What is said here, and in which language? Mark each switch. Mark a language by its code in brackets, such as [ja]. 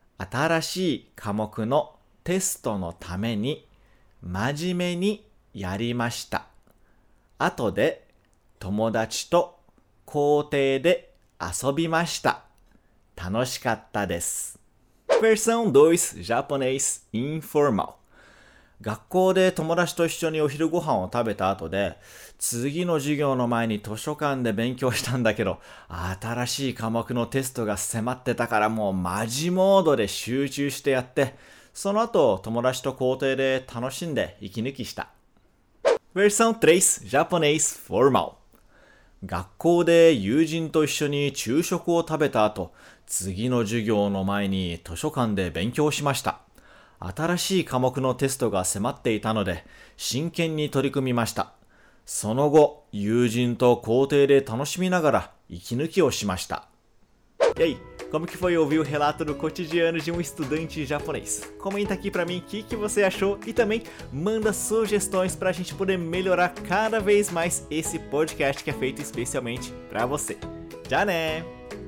[ja] 新しい科目のテストのために真面目にやりました。後で友達と校庭で遊びました。楽しかったです。 [pt] Versão 2, japonês informal. [ja] 学校で友達と一緒にお昼ご飯を食べた後で、次の授業の前に図書館で勉強したんだけど、新しい科目のテストが迫ってたからもうマジモードで集中してやって、その後友達と校庭で楽しんで息抜きした。 [pt] Versão 3, japonês formal. [ja] 学校で友人と一緒に昼食を食べた後、次の授業の前に図書館で勉強しました。新しい科目のテストが迫っていたので、真剣に取り組みました。その後、友人と校庭で楽しみながら、息抜きをしました。 [pt] E aí, como que foi ouvir o relato do cotidiano de estudante japonês? Comenta aqui pra mim o que você achou e também manda sugestões pra gente poder melhorar cada vez mais esse podcast que é feito especialmente pra você. Já né!